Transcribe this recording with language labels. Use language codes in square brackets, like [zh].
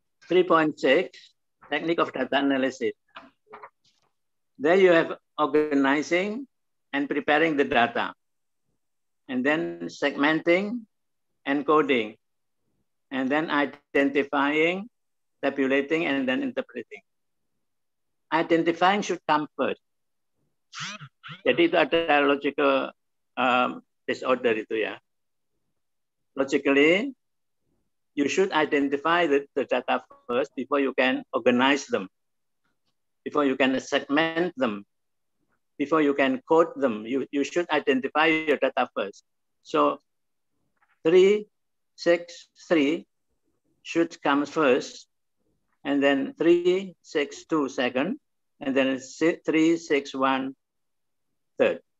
[en] 3.6, technique of data analysis. There you have organizing and preparing the data, and then segmenting, encoding, and then identifying, tabulating, and then interpreting. Identifying should come first. [id] Jadi itu ada [en] logical disorder [id] itu ya. [en] Logically, you should identify the data first before you can organize them, before you can segment them, before you can code them. You should identify your data first. So 3.6.3 should come first, and then 3.6.2 second, and then 3.6.1 third.